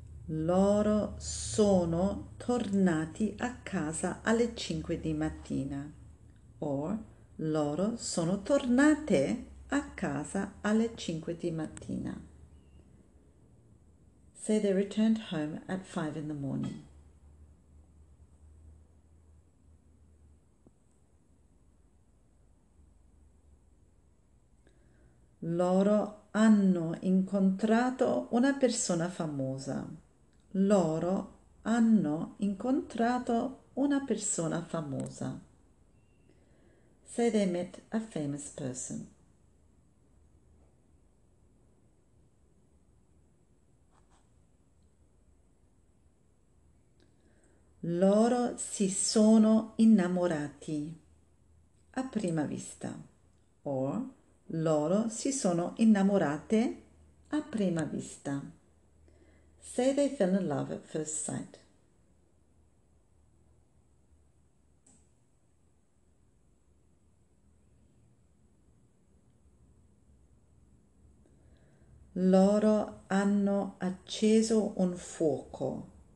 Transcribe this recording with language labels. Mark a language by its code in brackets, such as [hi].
[it] Loro sono tornati a casa alle 5 di mattina. Or, loro sono tornate a casa alle 5 di mattina. [en] Say they returned home at 5 in the morning. [it] Loro hanno incontrato una persona famosa. Loro hanno incontrato una persona famosa. [en] Say they met a famous person. [it] Loro si sono innamorati a prima vista. Or, loro si sono innamorate a prima vista. [en] Say they fell in love at first sight. [it] Loro hanno acceso un fuoco.